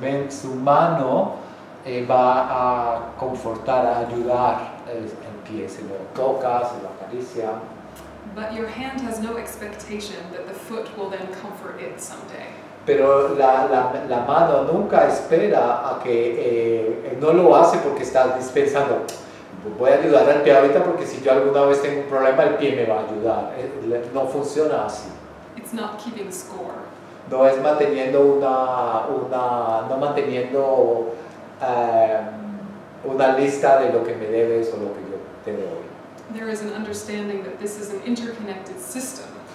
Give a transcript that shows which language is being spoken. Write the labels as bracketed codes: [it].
[es] Su mano va a confortar, a ayudar el pie. Se lo toca, se lo acaricia. [en] But your hand has no expectation that the foot will then comfort it someday. [es] Pero la mano nunca espera a que no lo hace porque está dispensando. Voy a ayudar al pie ahorita porque si yo alguna vez tengo un problema el pie me va a ayudar. No funciona así. [en] It's not keeping score. [es] No es manteniendo una lista de lo que me debes o lo que yo te doy. [en] There is an understanding that this is an interconnected system.